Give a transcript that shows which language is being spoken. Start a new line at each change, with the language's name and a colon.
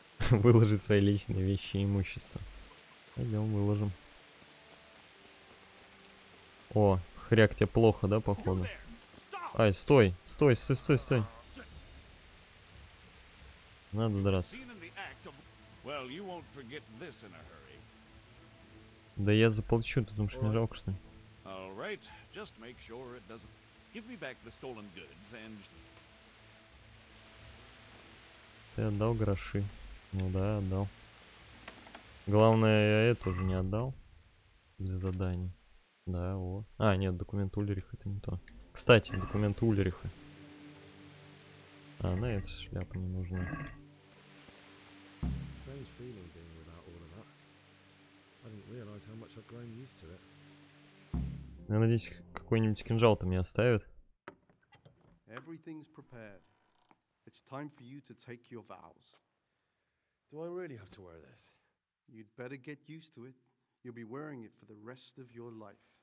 Russian: Выложи свои личные вещи и имущество. Пойдем, выложим. О, хряк, тебе плохо, да, походу? Ай, стой, стой, стой, стой, стой. Надо драться.
English: Well, you won't forget this in a hurry.
Russian: Да я заплачу, ты думаешь, мне жалко, что ли?
English: All right, just make sure it doesn't... Give me back the stolen goods and...
Russian: Ты отдал гроши? Ну да, отдал. Главное, я это же не отдал. Для заданий. Да, вот. А, нет, документ Ульриха, это не то. Кстати, документ Ульриха. А, на эту шляпу не нужна.
English: Strange feeling being without all of that. I didn't realize how much I've grown used to it.
Russian: Я надеюсь, какой-нибудь кинжал там не оставят.
English: Everything's prepared. It's time for you to take your vows. Do I really have to wear this? You'd better get used to it. You'll be wearing it for the rest of your life.